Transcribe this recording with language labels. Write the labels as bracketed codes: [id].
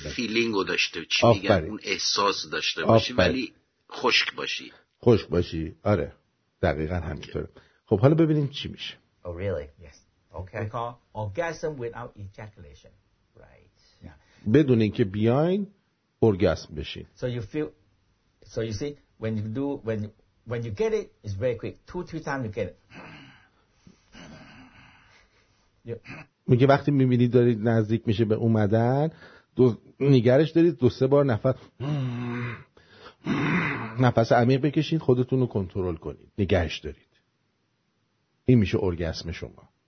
[fa] اون فیلینگو داشته چی میگن اون احساس داشته باشی ولی خشک باشی. خشک باشی. آره. دقیقاً همینطوره. خب حالا ببینیم چی میشه. [en] Oh really? Yes. Okay. Orgasm without ejaculation. Right. Yeah. [fa] بدونی که بیاین اورگاسم بشین. [en] So you see when you get it it's very quick. 2-3 times you get it. [fa] میگه وقتی میبینید دارید نزدیک میشه به اومدن دو نگرش دارید 2-3 بار نفس عمیق بکشید خودتون رو کنترل کنید نگرش دارید. این میشه اورگاسم شما.